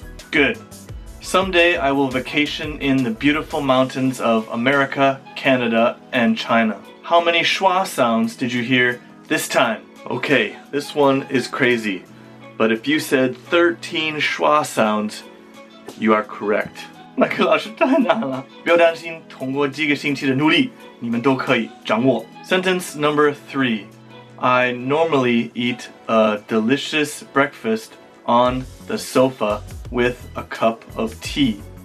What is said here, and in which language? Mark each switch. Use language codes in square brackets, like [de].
[en] Good. Someday I will vacation in the beautiful mountains of America, Canada, and China. How many schwa sounds did you hear this time? Okay, this one is crazy. But if you said 13 schwa sounds, you are correct. [zh] 麦克老师太难了。不要担心，通过几个星期的努力，你们都可以掌握。 [en] Sentence number 3. I normally eat a delicious breakfast on the sofa. With a cup of tea.